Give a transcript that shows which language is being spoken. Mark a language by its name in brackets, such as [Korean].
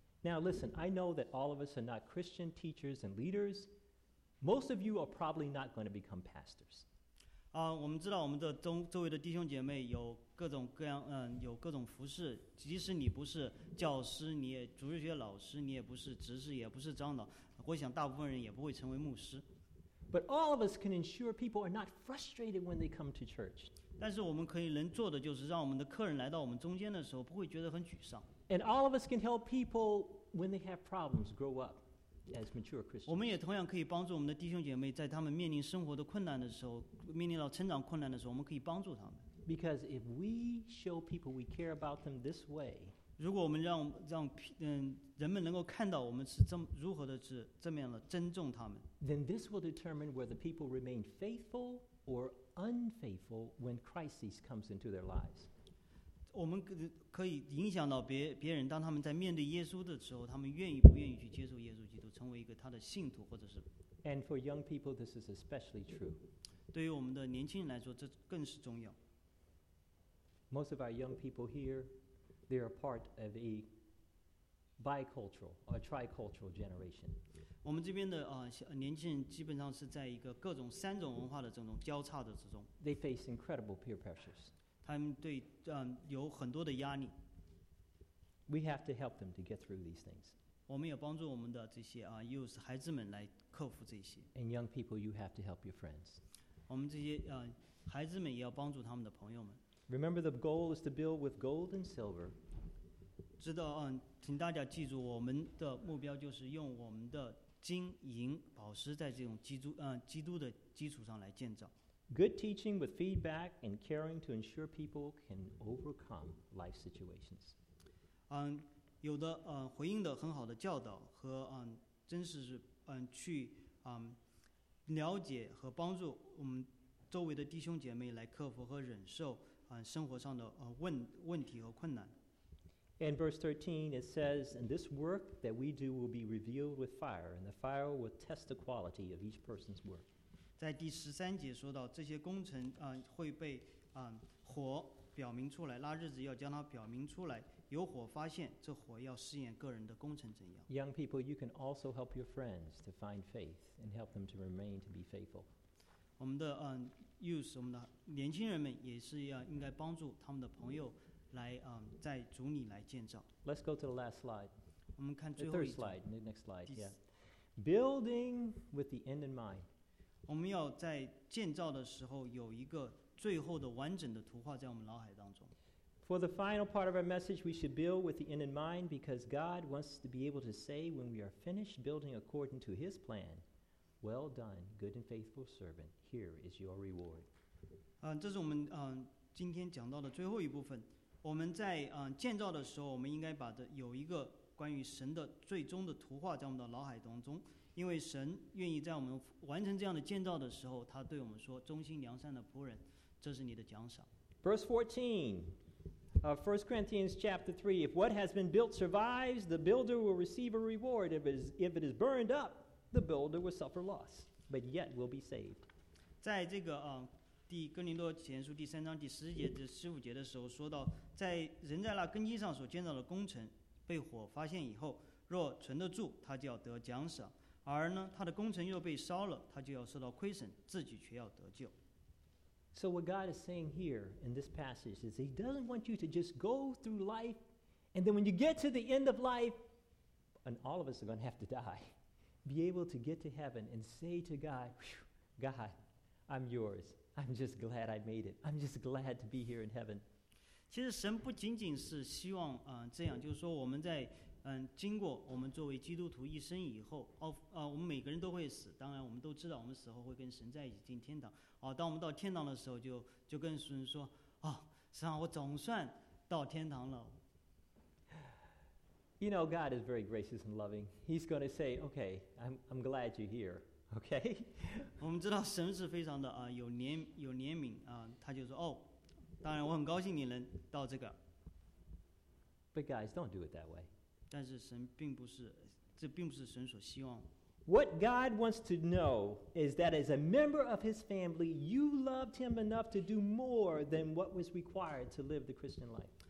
[English] Now listen, I know that all of us are not Christian teachers and leaders. Most of you are probably not going to become pastors. [Chinese] 我们知道我们的周围的弟兄姐妹有各种各样有各种服事，即使你不是教师，你也主日学老师，你也不是执事，也不是长老，我想大部分人也不会成为牧师。 [English] But all of us can ensure people are not frustrated when they come to church. [Chinese] 但是我们可以能做的就是让我们的客人来到我们中间的时候不会觉得很沮丧。 [English] And all of us can help people when they have problems grow up as mature Christians. [Chinese] 我们也同样可以帮助我们的弟兄姐妹，在他们面临生活的困难的时候，面临到成长困难的时候，我们可以帮助他们。 [English] Because if we show people we care about them this way, [Chinese] 如果我们让人们能够看到我们是如何的是这么样的珍重他们， [English] then this will determine whether people remain faithful or unfaithful when crisis comes into their lives. [Chinese] 我们可以影响到别人，当他们在面对耶稣的时候，他们愿意不愿意去接受耶稣基督，成为一个他的信徒或者是 [English] And for young people, this is especially true. [Chinese] 对于我们的年轻人来说，这更是重要。 [English] Most of our young people here, they are part of a bicultural or tricultural generation. [Chinese] 我们这边的年轻人基本上是在一个各种三种文化的这种交叉的之中。 [English] They face incredible peer pressures. [Chinese] 他们对有很多的压力。 [English] We have to help them to get through these things. [Chinese] 我们也帮助我们的这些youth 孩子们来克服这些。 [English] And young people, you have to help your friends. [Chinese] 我们这些孩子们也要帮助他们的朋友们。 [English] Remember, the goal is to build with gold and silver. [Chinese] 知道请大家记住，我们的目标就是用我们的金银宝石在这种基督的基础上来建造。 [English] Good teaching with feedback and caring to ensure people can overcome life situations. [Chinese] 有的回应的很好的教导和真实是去了解和帮助我们周围的弟兄姐妹来克服和忍受生活上的问题和困难。 [English] In verse 13, it says, "And this work that we do will be revealed with fire, and the fire will test the quality of each person's work." [Chinese] 在第十三节说到，这些工程会被火表明出来，那日子要将它表明出来，有火发现，这火要试验个人的工程怎样。 [English] Young people, you can also help your friends to find faith and help them to remain to be faithful. [Chinese] 我们的youth, 我们的年轻人们也是要应该帮助他们的朋友。来在主里来建造。 [English] Let's go to the last slide. [Chinese] 我们看最后一张。 [English] The third slide, the next slide, yeah. Building with the end in mind. [Chinese] 我们要在建造的时候有一个最后的完整的图画在我们脑海当中。 [English] For the final part of our message, we should build with the end in mind because God wants to be able to say when we are finished building according to his plan, well done, good and faithful servant, here is your reward. [Chinese] 这是我们今天讲到的最后一部分。我们在建造的时候，我们应该把这有一个关于神的最终的图画在我们的脑海当中，因为神愿意在我们完成这样的建造的时候，他对我们说：“忠心良善的仆人，这是你的奖赏。” [English] Verse 14, First Corinthians chapter 3. If what has been built survives, the builder will receive a reward. If it is burned up, the builder will suffer loss, but yet will be saved. [Chinese] 在这个第哥林多前书第三章第十节至十五节的时候说到，在人在那根基上所建造的工程被火发现以后，若存得住，他就要得奖赏；而呢，他的工程又被烧了，他就要受到亏损，自己却要得救。 [English] So what God is saying here in this passage is He doesn't want you to just go through life, and then when you get to the end of life, and all of us are going to have to die, be able to get to heaven and say to God, I'm yours. I'm just glad I made it. I'm just glad to be here in heaven. [Chinese] 其实神不仅仅是希望这样，就是说我们在经过我们作为基督徒一生以后，我们每个人都会死。当然，我们都知道我们死后会跟神在一起进天堂。当我们到天堂的时候，就跟神说：“神啊，我总算到天堂了。” [English] You know, God is very gracious and loving. He's going to say, "Okay, I'm glad you're here." Okay. [Chinese] 我们知道神是非常的有怜悯他就说当然我很高兴你能到这个。 [English] But guys, don't do it that way. [Chinese] 但是神并不是，这并不是神所希望。 [English] What God wants to know is that as a member of His family, you loved Him enough to do more than what was required to live the Christian life.